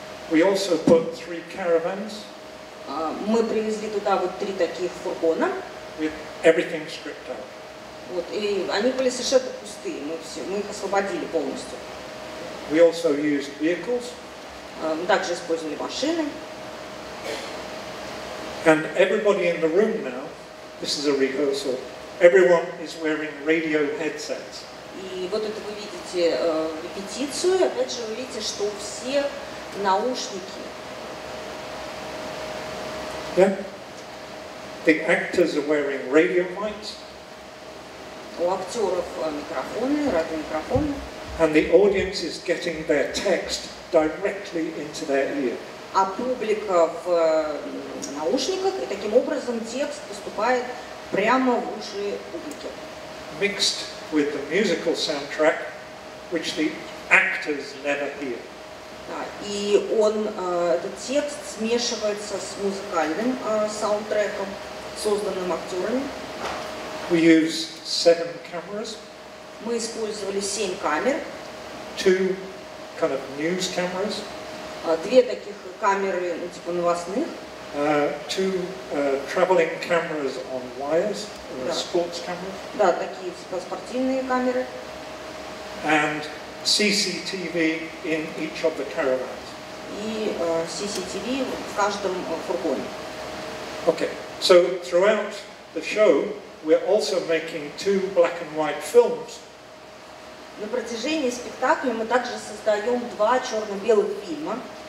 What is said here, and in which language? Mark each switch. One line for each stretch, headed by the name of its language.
English: We also put three caravans.
Russian: Мы привезли туда вот три таких фургона.
English: With everything stripped out.
Russian: Вот, и они были совершенно пустые. Мы их освободили полностью.
English: We also used vehicles.
Russian: Мы также использовали машины.
English: And everybody in the room now, this is a rehearsal, everyone is wearing radio headsets.
Russian: И вот это вы видите репетицию, опять же вы видите, что все наушники.
English: Yeah. The actors are wearing radio mics.
Russian: У актеров микрофоны, радиомикрофоны.
English: And the audience is getting their text directly into their ear.
Russian: А публика в наушниках, и таким образом текст поступает прямо в уши публики.
English: Mixed with the musical soundtrack, which the actors never hear.
Russian: Да, и он, этот текст смешивается с музыкальным саундтреком, созданным актерами.
English: We use 7 cameras.
Russian: Мы использовали 7 камер.
English: 2 kind of news cameras.
Russian: 2 таких камеры, ну, типа новостных.
English: 2 traveling cameras on wires, or sports cameras.
Russian: Да, такие типа спортивные камеры.
English: And CCTV in each of the caravans.
Russian: И CCTV в каждом фургоне.
English: Okay, so throughout the show, we're also making 2 black and white films.
Russian: На протяжении спектакля мы также создаем 2 черно-белых фильма.